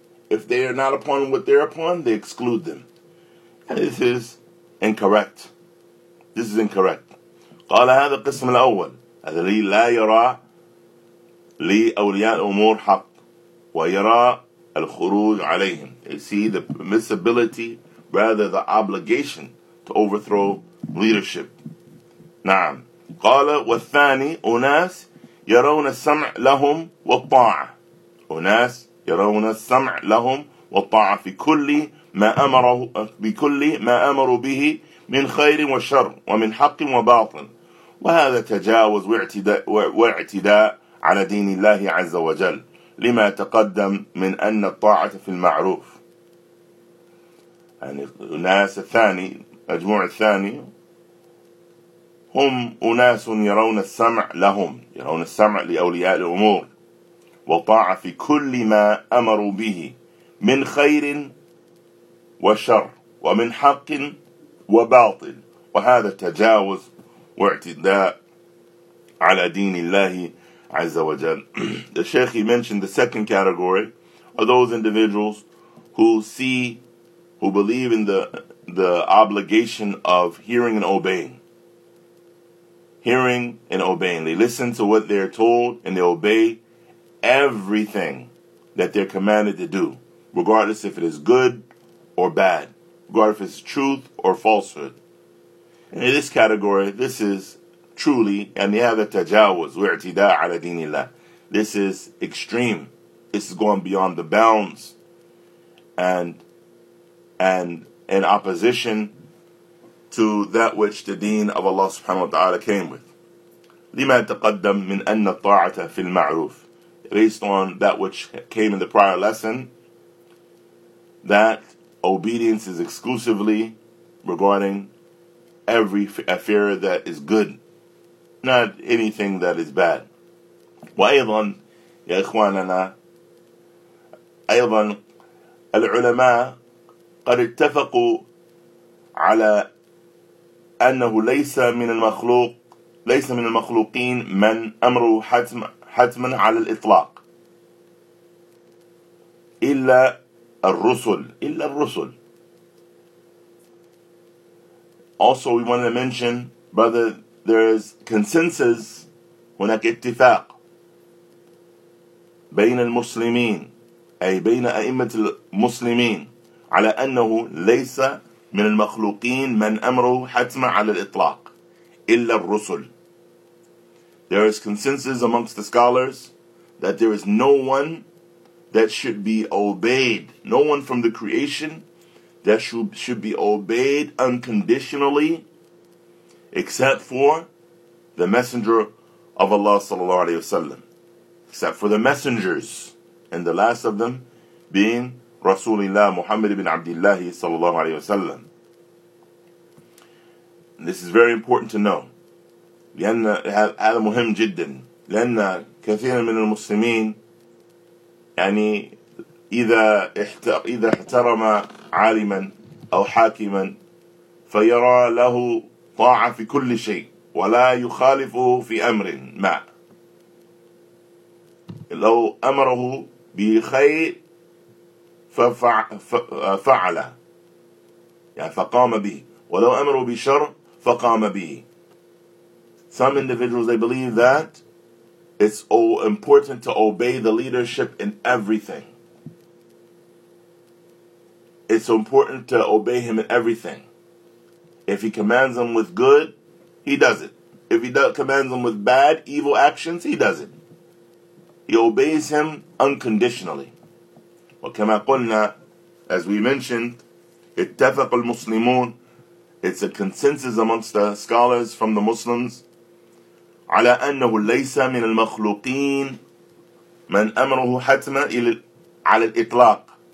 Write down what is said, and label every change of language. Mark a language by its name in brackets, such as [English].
[English] If they are not upon what they're upon, they exclude them. This is incorrect. This is incorrect. [Arabic] قال هذا القسم الأول الذي لا يرى لأولياء الأمور حق ويرى الخروج عليهم. [English] They see the permissibility, rather the obligation, to overthrow leadership. [Arabic] نعم. قال والثاني أناس يرون السمع لهم والطاعة. أناس يرون السمع لهم والطاعة في كل ما أمره بكل ما أمروا به من خير وشر ومن حق وباطل. وهذا تجاوز واعتداء على دين الله عز وجل لما تقدم من أن الطاعة في المعروف. يعني الناس الثاني مجموع الثاني هم أناس يرون السمع لهم يرون السمع لأولياء الأمور والطاعة في كل ما أمروا به من خير وشر ومن حق وباطل. وهذا تجاوز واعتداء على دين الله عز وجل. [English] The Sheikh, he mentioned the second category are those individuals who see, who believe in the obligation of hearing and obeying. Hearing and obeying. They listen to what they're told and they obey everything that they're commanded to do, regardless if it is good or bad, regardless if it's truth or falsehood. And in this category, this is truly, and the other [Arabic] tajawuz, wa'tida ala deenillah. [English] This is extreme. This is going beyond the bounds and in opposition to that which the deen of Allah subhanahu wa ta'ala came with. [Arabic] لِمَا تَقَدَّمْ مِنْ أَنَّ الطَّاعَةَ فِي الْمَعْرُوفِ. [English] Based on that which came in the prior lesson, that obedience is exclusively regarding every affair that is good, not anything that is bad. [Arabic] وأيضا يا إخواننا أيضا العلماء قد اتفقوا على أنه ليس من المخلوق ليس من المخلوقين من أمره حتما على الإطلاق إلا الرسل إلا الرسل. [English] Also, we wanted to mention, brother, there is consensus, [Arabic] هناك اتفاق بين المسلمين أي بين أئمة المسلمين على أنه ليس من المخلوقين من أمره حتما على الإطلاق إلا الرسل. [English] There is consensus amongst the scholars that there is no one that should be obeyed, no one from the creation that should be obeyed unconditionally except for the messenger of Allah sallallahu alayhi wasallam, except for the messengers, and the last of them being Rasulullah Muhammad ibn Abdullah sallallahu alayhi wasallam. This is very important to know. [Arabic] لأن هذا مهم جدا لأن كثير من المسلمين يعني إذا احترم عالما أو حاكما فيرى له طاعة في كل شيء ولا يخالفه في أمر ما. لو أمره بخير ففعل يعني فقام به ولو أمره بشر فقام به. [English] Some individuals, they believe that it's all important to obey the leadership in everything. It's important to obey him in everything. If he commands them with good, he does it. If he commands them with bad, evil actions, he does it. He obeys him unconditionally. [Arabic] وكما قلنا, [English] as we mentioned, [Arabic] اتفق المسلمون, [English] it's a consensus amongst the scholars from the Muslims, [Arabic] على أنه ليس من المخلوقين من أمره حتما على الإطلاق.